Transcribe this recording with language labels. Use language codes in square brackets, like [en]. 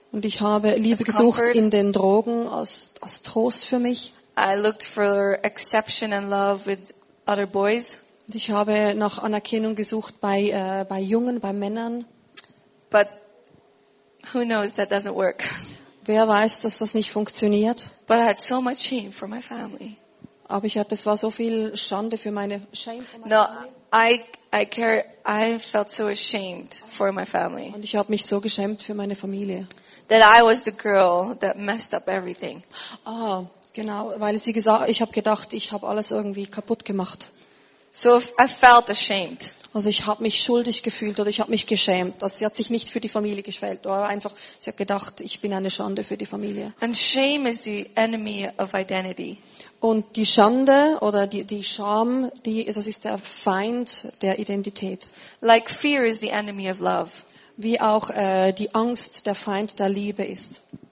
[de] Und ich habe Liebe gesucht in den Drogen als Trost für mich. [en] I looked for acceptance and love with other boys. [de] Ich habe nach Anerkennung gesucht bei Jungen, bei Männern. [en] But who knows, that doesn't work. [de] Wer weiß, dass das nicht funktioniert. [en] But I had so much shame for my family. [de] Aber ich hatte, es war so viel Schande für meine Shame. [en] No, family. I felt so ashamed for my family. [de] Und ich habe mich so geschämt für meine Familie. [en] That I was the girl that messed up everything. Ah. [de] Genau, weil sie gesagt, ich habe gedacht, ich habe alles irgendwie kaputt gemacht. [en] So I felt ashamed. [de] Also ich habe mich schuldig gefühlt oder ich habe mich geschämt. Also sie hat sich nicht für die Familie geschämt, aber einfach, sie hat gedacht, ich bin eine Schande für die Familie. [en] And shame is the enemy of identity. [de] Und die Schande oder die Scham, die, das ist der Feind der Identität. [en] Like fear is the enemy of love. [de] Wie auch die Angst der Feind der Liebe ist.